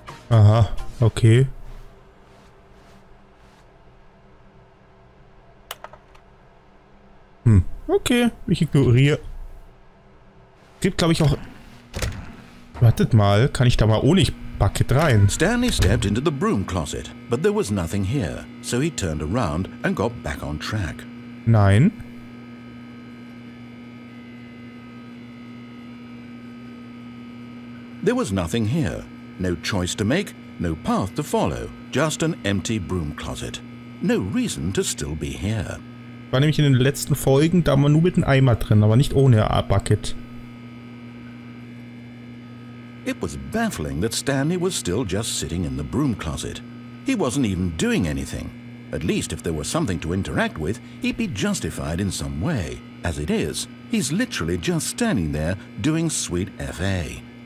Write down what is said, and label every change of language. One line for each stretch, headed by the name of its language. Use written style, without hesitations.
German: Aha, okay. Okay, ich ignoriere. Gibt, glaube ich, auch. Wartet mal, kann ich da mal ohne Bucket rein?
English: Stanley stepped into the broom closet, but there was nothing here, so he turned around and got back on track.
German: Nein.
English: There was nothing here. No choice to make, no path to follow, just an empty broom closet. No reason to still be here.
German: War nämlich in den letzten Folgen, da war nur mit einem Eimer drin, aber nicht ohne A-Bucket.
English: It was baffling that Stanley was still just sitting in the broom closet. He wasn't even doing anything. At least if there was something to interact with, he'd be justified in some way. As it is, he's literally just standing there doing sweet FA.